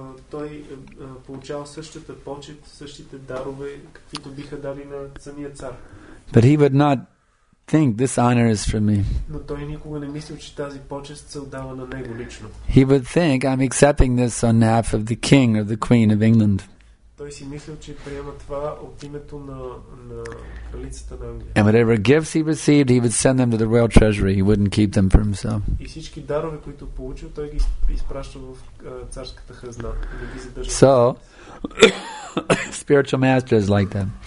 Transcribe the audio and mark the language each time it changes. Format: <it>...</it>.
<bg>Той получава същата почет, същите дарове, каквито биха дали на самия цар.</bg> <en>But he would not think this honor is for me.</en> <bg>Но той никога не мислил, че тази почет се отдава на него лично.</bg> <en>He would think I'm accepting this on behalf of the king or the queen of England.</en> <bg>Той си мислил, че приема това от името на кралицата на Англия.</bg> <en>And whatever gifts he received, he would send them to the royal treasury. He wouldn't keep them for himself.</en> <bg>И всички дарове, които получил, той ги изпраща в царската хазна, да ги задържа.</bg> <en>So, spiritual master is like that.</en>